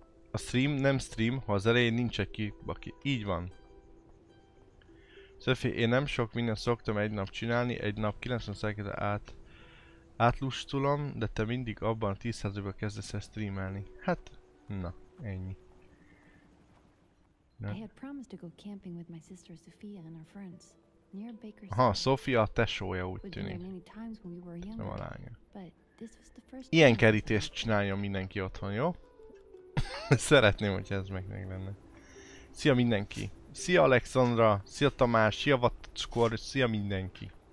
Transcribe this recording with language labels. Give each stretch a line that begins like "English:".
Hungarian: A stream nem stream, ha az elején nincs egy kibaki. Így van. Szefi, én nem sok minden szoktam egy nap csinálni, egy nap 90%-ra átlustulom, de te mindig abban a 10%-ban kezdesz el streamelni. Hát, na, ennyi. Na.
English: I had promised to go camping with my sister Sophia and our friends.
Hungarian: Ha, Sophia a tesója, úgy tűnik. Nem a lánya. Ilyen kerítést csináljon mindenki otthon, jó? Szeretném, hogyha ez meg lenne. Szia mindenki! Szia Alexandra! Szia Tamás! Szia Vatskor! Szia mindenki!